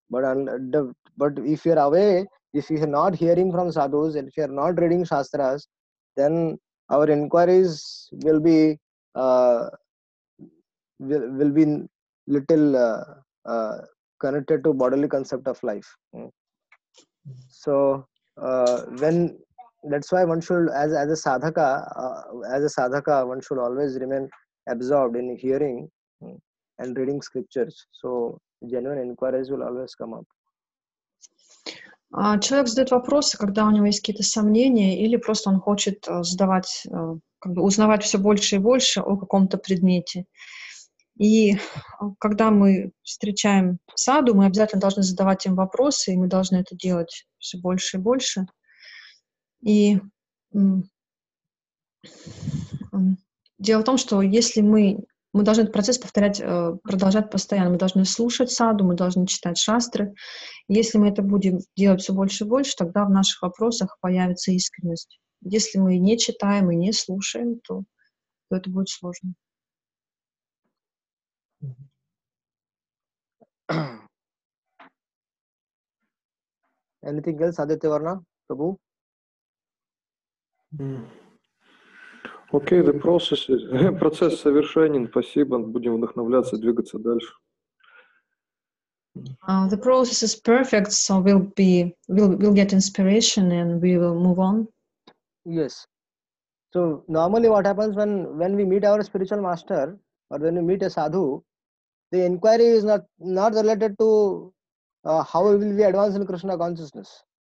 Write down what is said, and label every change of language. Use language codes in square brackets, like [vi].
[en] But if you're away, if you're not hearing from sadhus, and if you're not reading shastras, then our inquiries will be little connected to bodily concept of life. So that's why one should, as a sadhaka, one should always remain absorbed in hearing and reading scriptures. So genuine inquiries will always come up. [ru] Человек задает вопросы, когда у него есть какие-то сомнения, или просто он хочет узнавать все больше и больше о каком-то предмете. И когда мы встречаем саду, мы обязательно должны задавать им вопросы, и мы должны это делать все больше и больше. И дело в том, что если мы должны этот процесс продолжать постоянно. Мы должны слушать саду, мы должны читать шастры. Если мы это будем делать все больше и больше, тогда в наших вопросах появится искренность. Если мы не читаем и не слушаем, то это будет сложно. [en] Anything else, Aditya Varna, Prabhu? [ru] Окей, процесс совершенен, спасибо, будем вдохновляться, двигаться дальше. [en] The process is perfect, so we'll get inspiration and we will move on. Yes. So normally what happens when we meet our spiritual master or when we meet a sadhu, the inquiry is not related to how will we advance in Krishna consciousness.